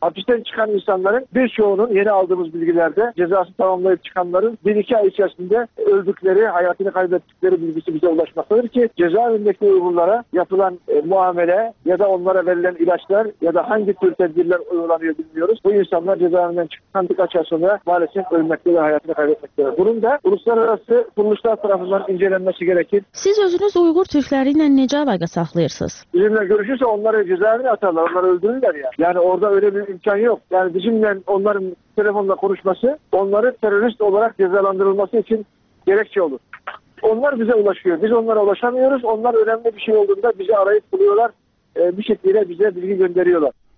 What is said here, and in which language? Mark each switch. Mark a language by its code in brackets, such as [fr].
[tr] Hapisten çıkan insanların birçoğunun yeni aldığımız bilgilerde cezası tamamlayıp çıkanların 1-2 ay içerisinde öldükleri, hayatını kaybettikleri bilgisi bize ulaşmaktadır ki cezaevindeki Uygurlara yapılan muamele ya da onlara verilen ilaçlar ya da hangi tür tedbirler uygulanıyor bilmiyoruz. Bu insanlar cezaevinden çıkan birkaç ay sonra maalesef ölmekte ve hayatını kaybetmekte. Bunun da uluslararası kuruluşlar tarafından incelenmesi gerekir. [az] Siz özünüz Uygur Türkleriyle necə əlaqə saxlayırsınız? [tr] Bizimle görüşürse onları cezaevine atarlar, onları öldürürler ya. Yani orada öyle bir imkan yok. Yani bizimle onların telefonla konuşması, onları terörist olarak cezalandırılması için gerekçe olur. Onlar bize ulaşıyor, biz onlara ulaşamıyoruz. Onlar önemli bir şey olduğunda bizi arayıp buluyorlar, bir şekilde bize bilgi gönderiyorlar.